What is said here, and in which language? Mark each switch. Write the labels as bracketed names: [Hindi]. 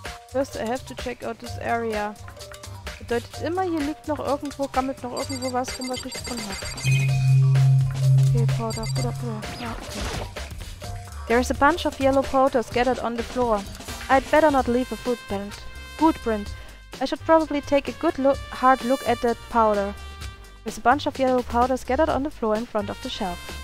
[English] First, I have to check out this area. [German] Bedeutet immer, hier liegt noch irgendwo, gammelt noch irgendwo was, von was ich gefunden habe. [English] Okay, Powder, Powder, Powder. Ja, okay. There is a bunch of yellow powder scattered on the floor. I'd better not leave a footprint. Footprint. I should probably take a good hard look at that powder. There's a bunch of yellow powder scattered on the floor in front of the shelf.